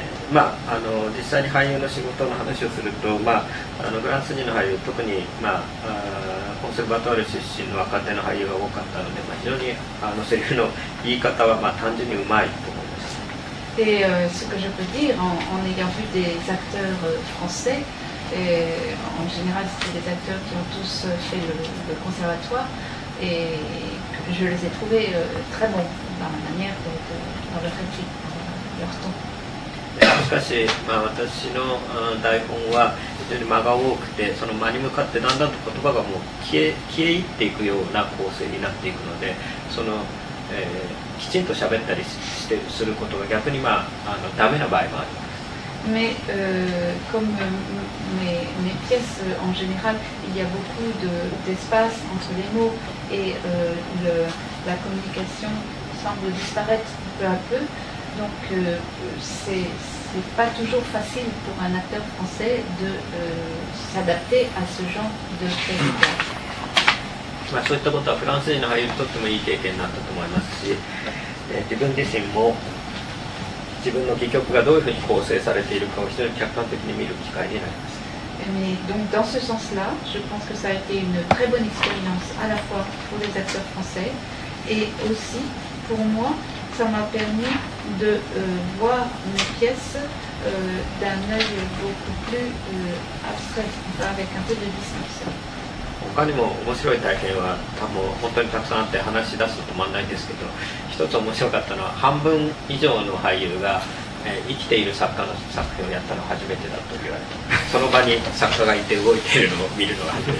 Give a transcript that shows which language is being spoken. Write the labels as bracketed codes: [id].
[ja] まあ、あの実際に俳優の仕事の話をすると、まあ、あのフランス人の俳優特に、まあ、コンセルバトール出身の若手の俳優が多かったので、まあ、非常にあのセリフの言い方は、まあ、単純にうまいと思います。 [fr] で、ce que je peux dire en ayant vu des acteurs françaisEt en général, c'était des acteurs qui ont tous fait le conservatoire et je les ai trouvés très bons dans la manière de dans leur réplique, leur ton. [ja] しかし、まあ、私の台本は非常に間が多くて、その間に向かってだんだんと言葉がもう消え入っていくような構成になっていくので、その、きちんと喋ったりすることが逆に、まあ、ダメな場合もある。 [fr] Mais comme mes pièces en général, il y a beaucoup d'espace entre les mots et la communication semble disparaître peu à peu. Donc c'est pas toujours facile pour un acteur français de s'adapter à ce genre de théâtre. [ja] まあ、そういったことはフランス人の俳優にとってもいい経験になったと思いますし、自分自身も自分の戯曲がどういうふうに構成されているかを非常に客観的に見る機会になります。 [fr] Mais donc dans ce sens-là, je pense que ça a été une très bonne expérience à la fois pour les acteurs français et aussi pour moi, ça m'a permis de voir mes pièces d'un œil beaucoup plus abstrait, avec un peu de distance. [ja] 他にも面白い体験は多分本当にたくさんあって話し出すと止まらないんですけど、一つ面白かったのは半分以上の俳優が、生きている作家の作品をやったのは初めてだと言われた。その場に作家がいて動いているのを見るのは初めて